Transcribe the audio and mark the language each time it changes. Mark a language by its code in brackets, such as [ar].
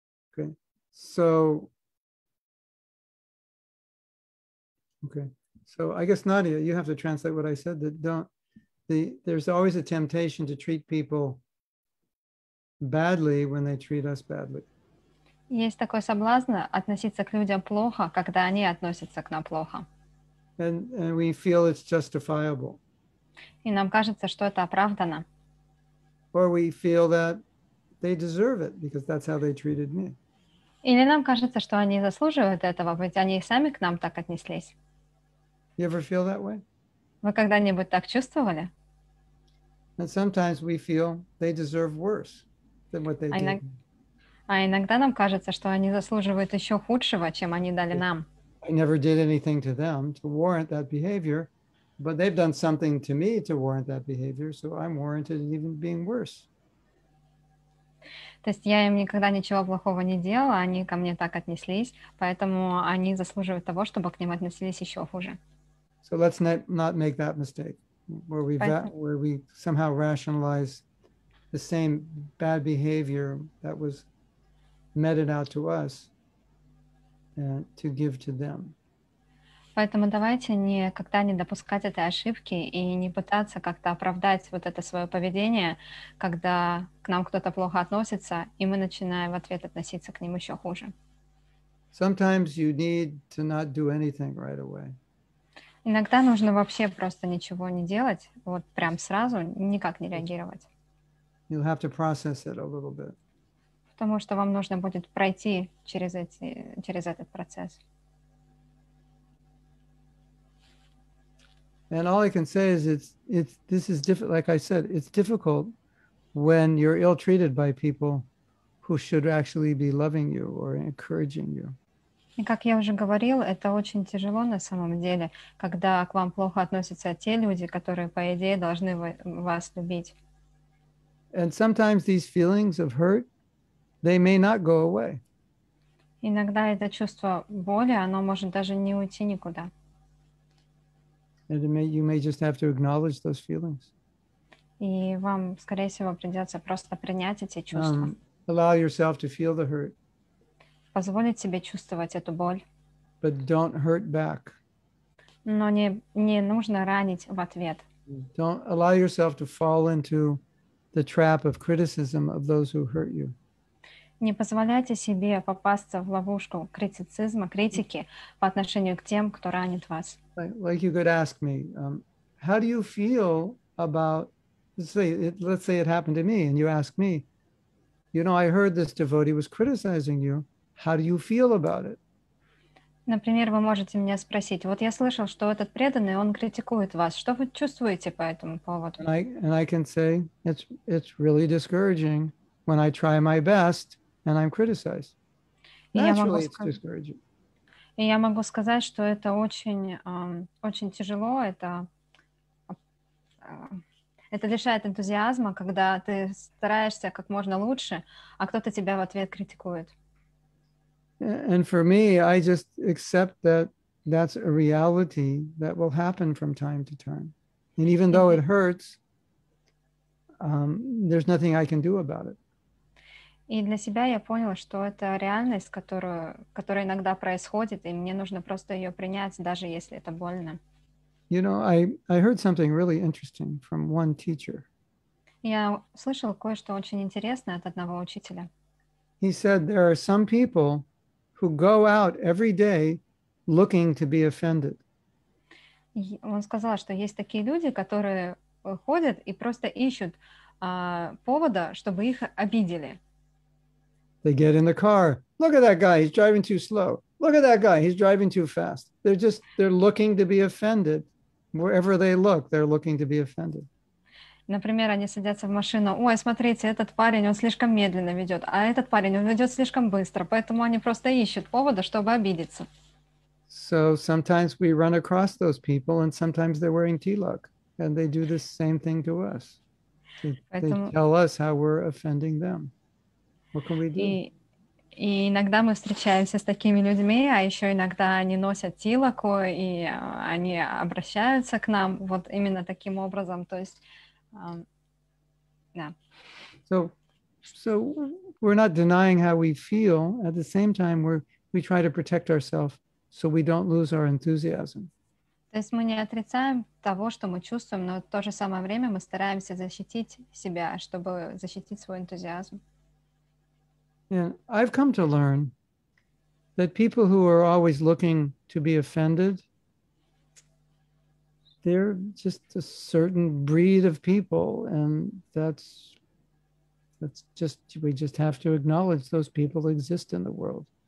[en] Okay. So, I guess, Nadia, you have to translate what I said, that there's always a temptation to treat people badly when they treat us badly. [ru] Есть такой соблазн относиться к людям плохо, когда они относятся к нам плохо. [en] And we feel it's justifiable. [ru] И нам кажется, что это оправдано. [en] Or we feel that they deserve it because that's how they treated me. [ru] Или нам кажется, что они заслуживают этого, ведь они сами к нам так отнеслись. [en] You ever feel that way? [ru] Вы когда-нибудь так чувствовали? [en] And sometimes we feel they deserve worse than what they did. [ru] А иногда нам кажется, что они заслуживают еще худшего, чем они дали нам. [en] I never did anything to them to warrant that behavior, but they've done something to me to warrant that behavior, so I'm warranted in even being worse. [ru] То есть я им никогда ничего плохого не делала, они ко мне так отнеслись, поэтому они заслуживают того, чтобы к ним относились еще хуже. [en] So let's not make that mistake, where we somehow rationalize the same bad behavior that was meted out to us and to give to them. [ru] Поэтому давайте никогда не допускать этой ошибки и не пытаться как-то оправдать вот это свое поведение, когда к нам кто-то плохо относится, и мы начинаем в ответ относиться к ним еще хуже. [en] Sometimes you need to not do anything right away. [ru] Иногда нужно вообще просто ничего не делать, вот прям сразу никак не реагировать. [en] You'll have to process it a little bit. [ru] Потому что вам нужно будет пройти через этот процесс. [en] And all I can say is it's difficult when you're ill-treated by people who should actually be loving you or encouraging you. [ru] И как я уже говорил, это очень тяжело на самом деле, когда к вам плохо относятся те люди, которые, по идее, должны вас любить. [en] And sometimes these feelings of hurt, they may not go away. [ru] Иногда это чувство боли, оно может даже не уйти никуда. [en] And you may just have to acknowledge those feelings. [ru] И вам, скорее всего, придется просто принять эти чувства. [en] Allow yourself to feel the hurt. [ru] Позволить себе чувствовать эту боль. [en] But don't hurt back. [ru] Но не нужно ранить в ответ. [en] Don't allow yourself to fall into the trap of criticism of those who hurt you. [ru] Не позволяйте себе попасться в ловушку критицизма, критики по отношению к тем, кто ранит вас. [en] Like you could ask me, how do you feel about, let's say it happened to me, and you ask me, you know, I heard this devotee was criticizing you, how do you feel about it? [ru] Например, вы можете меня спросить, вот я слышал, что этот преданный, он критикует вас, что вы чувствуете по этому поводу? [en] And I can say, it's really discouraging when I try my best and I'm criticized. Naturally, it's discouraging. [ru] И я могу сказать, что это очень тяжело, это лишает энтузиазма, когда ты стараешься как можно лучше, а кто-то тебя в ответ критикует. [en] And for me, I just accept that that's a reality that will happen from time to time. And even though it hurts, there's nothing I can do about it. [ru] И для себя я поняла, что это реальность, которая иногда происходит, и мне нужно просто ее принять, даже если это больно. [en] You know, I heard something really interesting from one teacher. [ru] Я слышала кое-что очень интересное от одного учителя. [en] He said there are some people who go out every day looking to be offended. [ru] Он сказал, что есть такие люди, которые ходят и просто ищут повода, чтобы их обидели. [en] They get in the car. Look at that guy, he's driving too slow. Look at that guy, he's driving too fast. They're looking to be offended. Wherever they look, they're looking to be offended. [ru] Например, они садятся в машину. Ой, смотрите, этот парень, он слишком медленно ведет, а этот парень, он ведет слишком быстро. Поэтому они просто ищут повода, чтобы обидеться. [en] So sometimes we run across those people, and sometimes they're wearing tilak, and they do the same thing to us. They tell us how we're offending them. What can we do? [ru] И иногда мы встречаемся с такими людьми, а еще иногда они носят тилаку, и они обращаются к нам вот именно таким образом. То есть, да. [en] So we're not denying how we feel. At the same time, we try to protect ourselves so we don't lose our enthusiasm. [ru] То есть мы не отрицаем того, что мы чувствуем, но в то же самое время мы стараемся защитить себя, чтобы защитить свой энтузиазм. [en] And I've come to learn that people who are always looking to be offended, they're just a certain breed of people, and we just have to acknowledge those people exist in the world.